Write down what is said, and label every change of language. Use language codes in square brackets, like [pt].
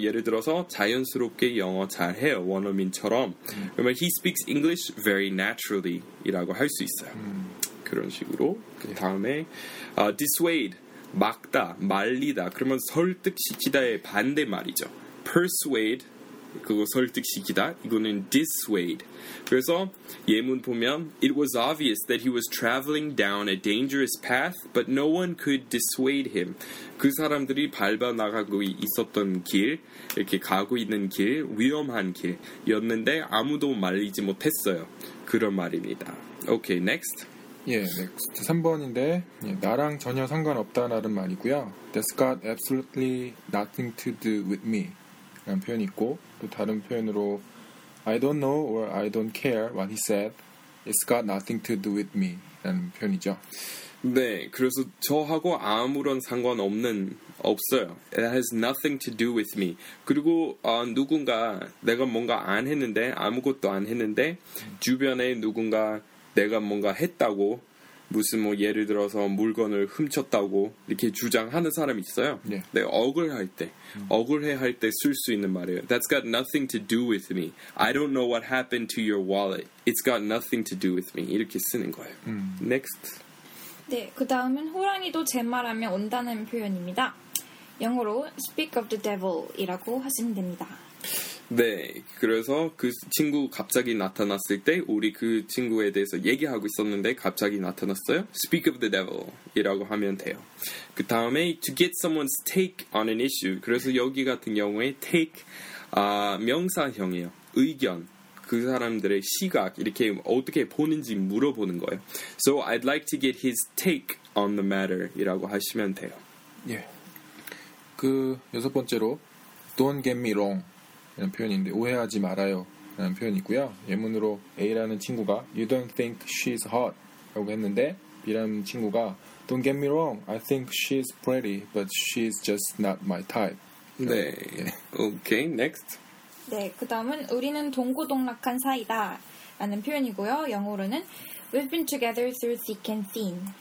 [ko] 예를 들어서 자연스럽게 영어 잘해요. 원어민처럼. 그러면 [en] he speaks English very naturally [ko] 이라고 할 수 있어요. 그런 식으로. 그 다음에 dissuade, 막다, 말리다. 그러면 설득시키다의 반대말이죠. persuade. 그거 설득시키다. 이거는 dissuade. 그래서 예문 보면 [en] It was obvious that he was traveling down a dangerous path, but no one could dissuade him. [ko] 그 사람들이 밟아 나가고 있었던 길, 이렇게 가고 있는 길, 위험한 길이었는데 아무도 말리지 못했어요. 그런 말입니다. [en] Okay, next. [ko] 예, next. 3번인데 예, 나랑 전혀 상관없다라는 말이고요. [en] That's got absolutely nothing to do with me. [ko] 라는 표현이 있고 또 다른 표현으로 [en] I don't know or I don't care what he said. It's got nothing to do with me. [ko] 라는 표현이죠. 네, 그래서 저하고 아무런 상관없는 없어요. [en] It has nothing to do with me. [ko] 그리고 누군가 내가 뭔가 안 했는데 아무것도 안 했는데 주변에 누군가 내가 뭔가 했다고 무슨 뭐 예를 들어서 물건을 훔쳤다고 이렇게 주장하는 사람이 있어요. 네. 네, 억울할 때, 억울해할 때 쓸 수 있는 말이에요. [en] That's got nothing to do with me. I don't know what happened to your wallet. It's got nothing to do with me. [ko] 이렇게 쓰는 거예요. [en] Next. [ko] 네, 그 다음은 호랑이도 제 말하면 온다는 표현입니다. 영어로 [en] speak of the devil [ko] 이라고 하시면 됩니다. 네, 그래서 그 친구 갑자기 나타났을 때 우리 그 친구에 대해서 얘기하고 있었는데 갑자기 나타났어요. [en] Speak of the devil이라고 [ko] 하면 돼요. 그 다음에 [en] to get someone's take on an issue. [ko] 그래서 여기 같은 경우에 take 명사형이에요. 의견, 그 사람들의 시각, 이렇게 어떻게 보는지 물어보는 거예요. [en] So I'd like to get his take on the matter [ko] 이라고 하시면 돼요. 예. 그 여섯 번째로 [en] Don't get me wrong [ko] 이런 표현인데 오해하지 말아요 이런 표현이 있고요. 예문으로 A라는 친구가 [en] You don't think she's hot [ko] 라고 했는데 B라는 친구가 [en] Don't get me wrong, I think she's pretty but she's just not my type. [ko] 네. 예. [en] Okay, next. [ko] 네, 그 다음은 우리는 동고동락한 사이다 라는 표현이고요. 영어로는 [en] We've been together through thick and thin.